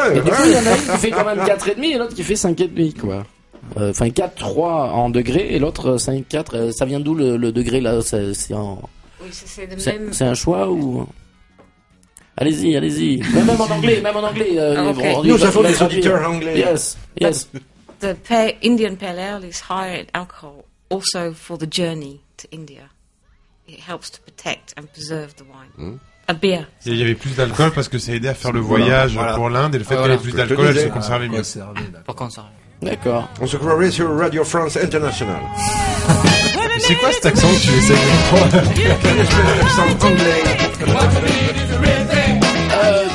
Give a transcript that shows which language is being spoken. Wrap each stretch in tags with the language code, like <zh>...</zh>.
<fr>Et du coup, il y en a une qui fait quand même 4,5 et l'autre qui fait 5,5, quoi. Enfin, 4,3 en degré et l'autre 5,4. Ça vient d'où le degré, là ? C'est en... Oui, c'est, même... c'est un choix ou allez-y, allez-y. Même en anglais. Nous avons des auditeurs anglais.</fr> <en>Yes, yes. The Indian pale ale is high in alcohol, also for the journey to India. It helps to protect and preserve the wine. A beer.</en> <fr>Il y avait plus d'alcool parce que ça aidait à faire le voyage pour l'Inde et le fait qu'il y avait plus d'alcool, elle se conservait mieux. Pour conserver. D'accord. On se croirait sur Radio France International. C'est quoi cet accent que tu essaies de prendre?</fr>